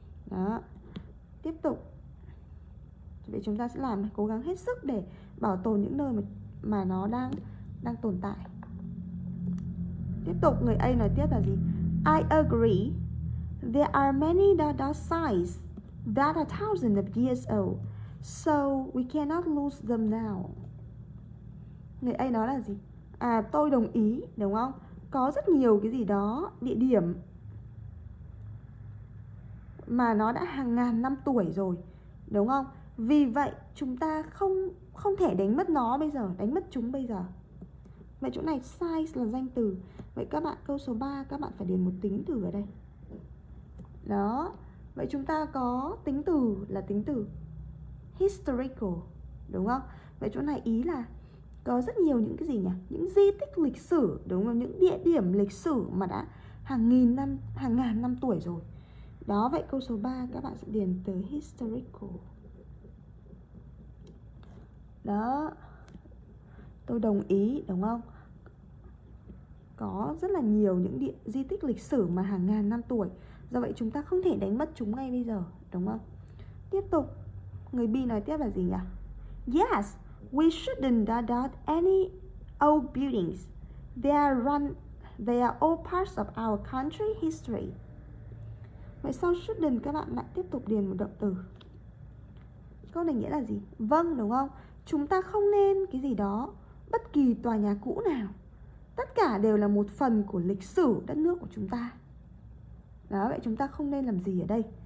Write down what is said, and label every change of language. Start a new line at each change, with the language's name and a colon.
Vietnamese: Đó. Tiếp tục. Vậy chúng ta sẽ làm cố gắng hết sức để bảo tồn những nơi mà nó đang tồn tại. Tiếp tục, người A nói tiếp là gì?
English: I agree. There are many dot-dot sites that are thousands of years old, so we cannot lose them now.
Vietnamese: Người A nói là gì? Tôi đồng ý, đúng không? Có rất nhiều cái gì đó, địa điểm mà nó đã hàng ngàn năm tuổi rồi, đúng không? Vì vậy, chúng ta không thể đánh mất nó bây giờ, đánh mất chúng bây giờ. Vậy chỗ này size là danh từ. Vậy các bạn, câu số 3 các bạn phải điền một tính từ ở đây. Đó. Vậy chúng ta có tính từ là tính từ historical, đúng không? Vậy chỗ này ý là có rất nhiều những cái gì nhỉ? Những di tích lịch sử, đúng không? Những địa điểm lịch sử mà đã hàng nghìn năm, hàng ngàn năm tuổi rồi. Đó, vậy câu số 3 các bạn sẽ điền từ historical. Đó. Tôi đồng ý, đúng không? Có rất là nhiều những di tích lịch sử mà hàng ngàn năm tuổi. Do vậy chúng ta không thể đánh mất chúng ngay bây giờ, đúng không? Tiếp tục, người B nói tiếp là gì nhỉ?
English: Yes, we shouldn't dot dot any old buildings. They are all parts of our country history.
Vietnamese: Vậy sau shouldn't các bạn lại tiếp tục điền một động từ. Câu này nghĩa là gì? Vâng, đúng không? Chúng ta không nên cái gì đó, bất kỳ tòa nhà cũ nào. Tất cả đều là một phần của lịch sử đất nước của chúng ta. Đó, vậy chúng ta không nên làm gì ở đây?